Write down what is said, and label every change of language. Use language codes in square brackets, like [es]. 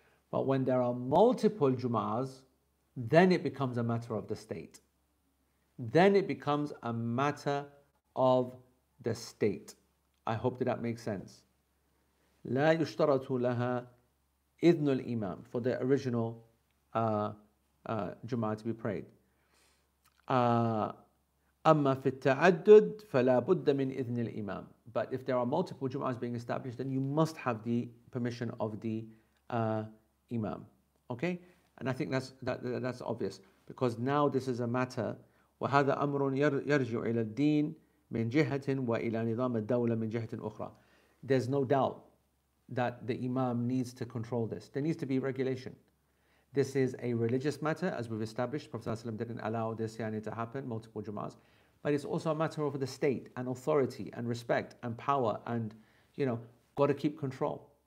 [en] But when there are multiple Jum'ahs, then it becomes a matter of the state. Then it becomes a matter of the state. I hope that makes sense. [ar] لا يشترط لها إذن الإمام [en] for the original Jum'ah to be prayed. [ar] أما في التعدد فلا بد من إذن الإمام. [en] But if there are multiple Jum'ahs being established, then you must have the permission of the Imam. Okay? And I think that's obvious, because now this is a matter. [ar] وهذا أمر يرجع إلى الدين من جهة وإلى نظام الدولة من جهة أخرى. [en] There's no doubt that the imam needs to control this. There needs to be regulation. This is a religious matter, as we've established. Prophet ﷺ didn't allow this yani to happen, multiple Jum'ahs. But it's also a matter of the state and authority and respect and power, and you know, got to keep control.